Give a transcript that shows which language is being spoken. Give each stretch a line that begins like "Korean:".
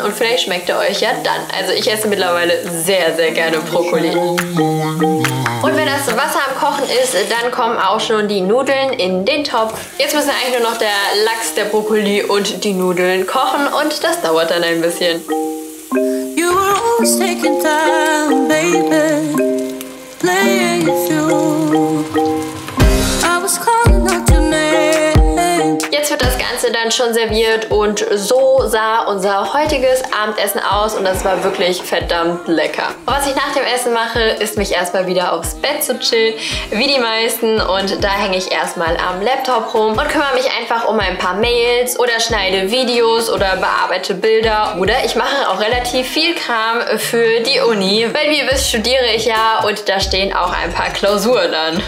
German: Und vielleicht schmeckt er euch ja dann. Also, ich esse mittlerweile sehr, sehr gerne Brokkoli. Und wenn das Wasser am Kochen ist, dann kommen auch schon die Nudeln in den Topf. Jetzt müssen eigentlich nur noch der Lachs, der Brokkoli und die Nudeln kochen. Und das dauert dann ein bisschen.
English: You were always taking time, baby, playing it through. I was calling out your name.
German: Jetzt wird das Ganze dann schon serviert und so sah unser heutiges Abendessen aus und das war wirklich verdammt lecker. Und was ich nach dem Essen mache, ist mich erstmal wieder aufs Bett zu chillen, wie die meisten, und da hänge ich erstmal am Laptop rum und kümmere mich einfach um ein paar Mails oder schneide Videos oder bearbeite Bilder oder ich mache auch relativ viel Kram für die Uni, weil wie ihr wisst, studiere ich ja und da stehen auch ein paar Klausuren an.